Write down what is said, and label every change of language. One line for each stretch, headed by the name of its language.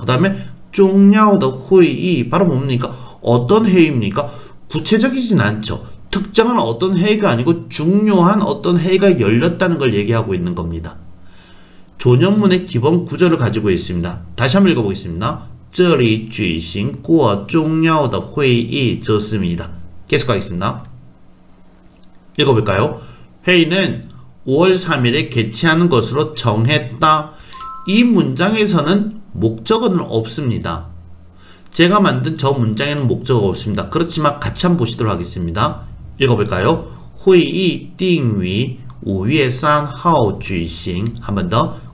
Korean: 그 다음에 중요한 회의, 바로 뭡니까? 어떤 회의입니까? 구체적이진 않죠. 특정한 어떤 회의가 아니고 중요한 어떤 회의가 열렸다는 걸 얘기하고 있는 겁니다. 존엄문의 기본 구조를 가지고 있습니다. 다시 한번 읽어보겠습니다.
Chinese: 这里举行过重要的会议.
Korean: 좋습니다. 계속 가겠습니다. 읽어볼까요? 회의는 5월 3일에 개최하는 것으로 정했다. 이 문장에서는 목적어는 없습니다. 제가 만든 저 문장에는 목적어가 없습니다. 그렇지만 같이 한번 보시도록 하겠습니다. 읽어볼까요? 회의 띵위 5월 3일 举行. 한 번 더.